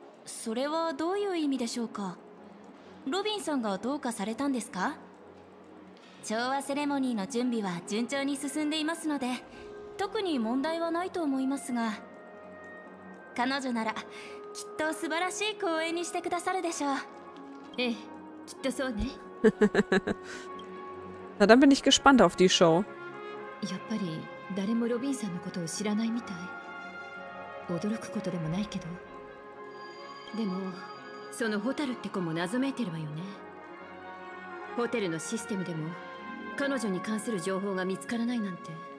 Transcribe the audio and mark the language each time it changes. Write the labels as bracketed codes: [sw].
[ja] それはどういう意味でしょうか。ロビンさんがどうかされたんですか。調和セレモニーの準備は順調に進んでいますので。特に問題はないと思いますが、彼女ならきっと素晴らしい公演にしてくださるでしょう。ええ、きっとそうね。 [de] Na, dann bin ich gespannt auf die Show. [ja] やっぱり誰もロビンさんのことを知らないみたい。驚くことでもないけど。でもそのホタルって子も謎めいてるわよね。ホテルのシステムでも彼女に関する情報が見つからないなんて。